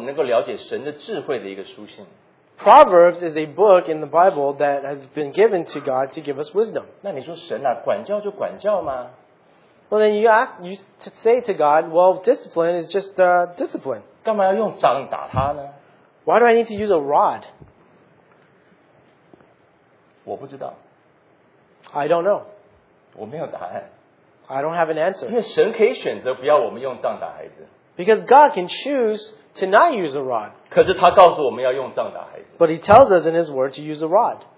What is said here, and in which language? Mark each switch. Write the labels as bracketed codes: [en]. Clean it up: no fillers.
[zh] 箴言是神特别赐给我们，让我们能够了解神的智慧的一个书信。 [en] Proverbs is a book in the Bible that has been given to God to give us wisdom. [zh] 那你说神啊，管教就管教吗？ [en] Well, then you say to God, well, discipline is just discipline. [zh] 干嘛要用杖打他呢？ [en] Why do I need to use a rod? [zh] 我不知道。 [en] I don't know. [zh] 我没有答案。 [en] I don't have an answer. [zh] 因为神可以选择不要我们用杖打孩子。 [en] Because God can choose to not use a rod. [zh] 可是他告诉我们要用杖打孩子。 [en] But he tells us in his word to use a rod.